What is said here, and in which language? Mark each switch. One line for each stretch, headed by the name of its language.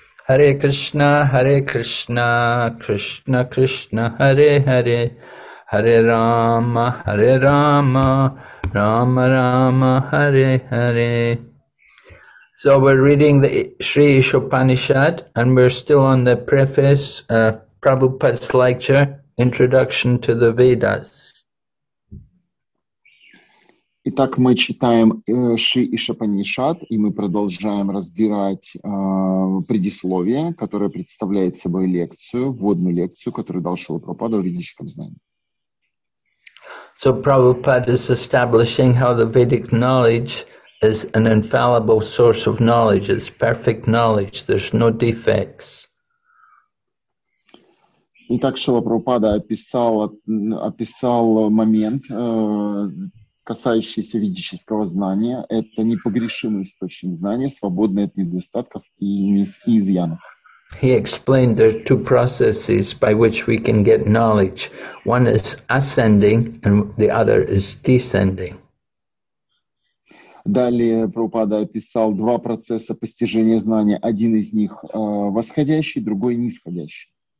Sanskrit: Hare Krishna, Hare Krishna, Krishna Krishna, Hare Hare, Hare Rama, Hare Rama, Rama Rama, Hare Hare.
English: So we're reading the Sri Ishopanishad, and we're still on the preface, Prabhupada's lecture, Introduction to the Vedas.
Russian: Итак, мы читаем Шри Ишопанишад, и мы продолжаем разбирать предисловие, которое представляет собой лекцию, вводную лекцию, которую дал Шрила Прабхупада о ведическом знании.
English: So Prabhupada is establishing how the Vedic knowledge is an infallible source of knowledge. It's perfect knowledge. There's no defects.
Russian: Итак, Шрила Прабхупада описал момент, касающиеся ведического знания, это непогрешимый источник знания, свободный от недостатков и изъянов.
English: He explained there are two processes by which we can get knowledge. One is ascending, and the other is descending.
Russian: Далее Прабхупада описал два процесса постижения знания. Один из них восходящий, другой нисходящий.